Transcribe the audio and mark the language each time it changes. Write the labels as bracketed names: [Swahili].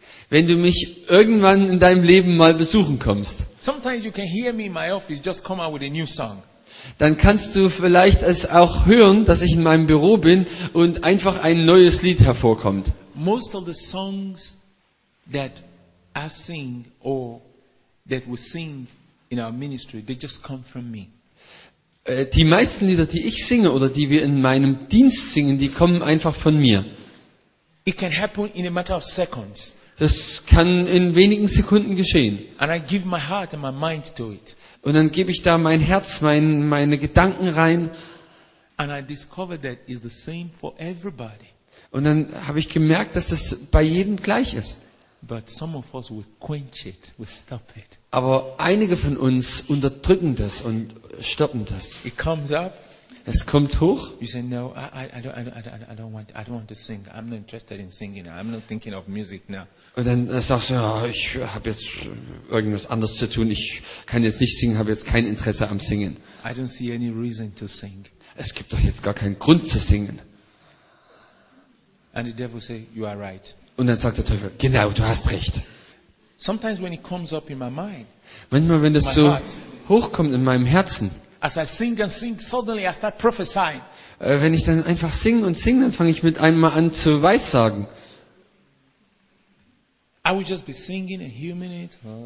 [German] Wenn du mich irgendwann in deinem Leben mal besuchen kommst. [English] Sometimes you can hear me in my office just come out with a new song. [German] Dann kannst du vielleicht es auch hören, dass ich in meinem Büro bin und einfach ein neues Lied hervorkommt. [English] Most of the songs that I sing or that we sing in our ministry, they just come from me. [German] Die meisten Lieder, die ich singe oder die wir in meinem Dienst singen, die kommen einfach von mir. [English] It can happen in a matter of seconds. [German] Das kann in wenigen Sekunden geschehen. [English] And I give my heart and my mind to it. [German] Und dann gebe ich da mein Herz, meine Gedanken rein. [English] And I discover that it's the same for everybody. [German] Und dann habe ich gemerkt, dass es bei jedem gleich ist. [English] But some of us will quench it, will stop it. [German] Aber einige von uns unterdrücken das und stoppen das. [English] It comes up. [German] Es kommt hoch. [English] You say no, I don't want to sing. I'm not interested in singing. I'm not thinking of music now. [German] Und dann sagst du, ja, ich habe jetzt irgendwas anderes zu tun. Ich kann jetzt nicht singen. Habe jetzt kein Interesse am Singen. [English] I don't see any reason to sing. [German] Es gibt doch jetzt gar keinen Grund zu singen. [English] And the devil say, you are right. [German] Und dann sagt der Teufel, genau, du hast recht. [English] Sometimes when it comes up in my mind, [German] manchmal, wenn das so [English] heart, [German] hochkommt in meinem Herzen. [English] As I sing and sing, suddenly I start prophesying. [German] Wenn ich dann einfach singe und singe, dann fange ich mit einmal an zu weissagen. [English] I will just be singing and humming it.